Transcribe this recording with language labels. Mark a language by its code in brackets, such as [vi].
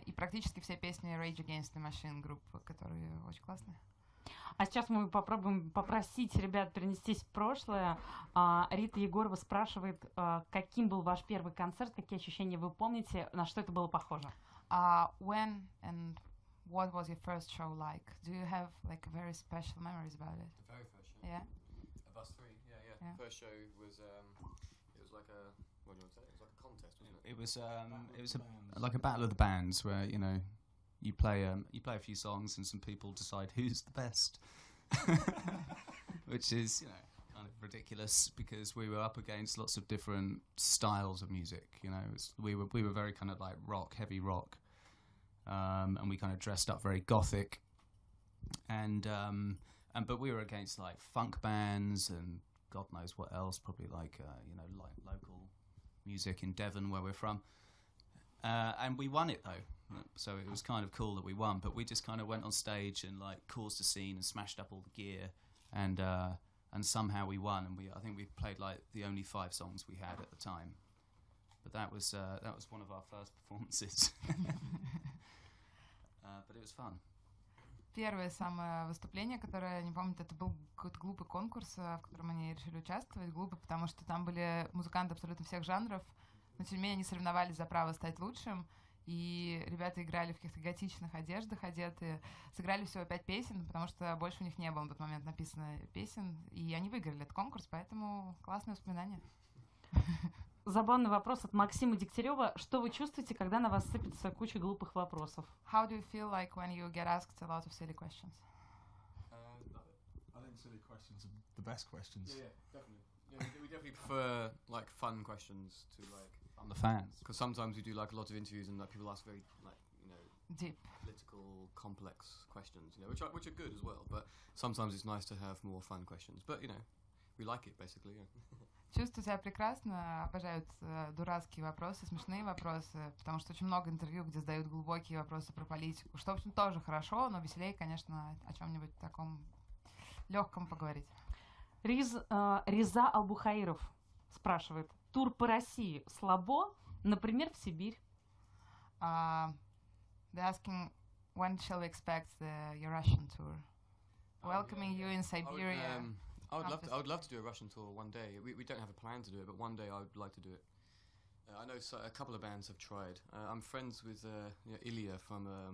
[ru] И практически все песни Rage Against the Machine группы, которые очень классные. А сейчас мы попробуем попросить ребят перенестись в прошлое. Рита Егорова спрашивает, каким был ваш первый концерт, какие ощущения вы помните, на что это было похоже? [en] When and... What was your first show like? Do you have like very special memories about it? The very first show. Yeah. Of us three. Yeah. First show was it was like a, what do you want to say? It was like a contest, wasn't it? It was like a battle of the bands where, you know, you play a few songs and some people decide who's the best. Which is, you know, kind of ridiculous because we were up against lots of different styles of music, you know. We were very kind of like rock, heavy rock. And we kind of dressed up very gothic, but we were against like funk bands and God knows what else, probably like you know, like local music in Devon where we're from, and we won it though, so it was kind of cool that we won. But we just kind of went on stage and like caused a scene and smashed up all the gear, and somehow we won, and I think we played like the only 5 songs we had at the time. But that was one of our first performances. But it was fun. [ru] Первое самое выступление, которое я не помню, это был какой-то глупый конкурс, в котором они решили участвовать. Глупо, потому что там были музыканты абсолютно всех жанров. Но тем не менее они соревновались за право стать лучшим. И ребята играли в каких-то готичных одеждах, одетые. Сыграли всего 5 песен, потому что больше у них не было на тот момент написано песен. И они выиграли этот конкурс, поэтому классное воспоминание. Забавный вопрос от Максима Дегтярева. Что вы чувствуете, когда на вас сыпется куча глупых вопросов? [en] How do you feel like when you get asked a lot of silly questions? I think silly questions are the best questions. Yeah, definitely. Yeah, we definitely prefer like fun questions to like on the fans. Because sometimes we do like a lot of interviews and like people ask very like, you know, deep, political, complex questions. You know, which are good as well. But sometimes it's nice to have more fun questions. But you know, we like it basically. Yeah. [ru] Чувствую себя прекрасно, обожают дурацкие вопросы, смешные вопросы, потому что очень много интервью, где задают глубокие вопросы про политику, что, в общем, тоже хорошо, но веселее, конечно, о чем-нибудь таком легком поговорить. Риза Албухаиров спрашивает, тур по России слабо, например, в Сибирь? [en] They're asking, when shall we expect your Russian tour? Welcoming you in Siberia. I would love to do a Russian tour one day. We don't have a plan to do it, but one day I would like to do it. I know a couple of bands have tried. I'm friends with Ilya from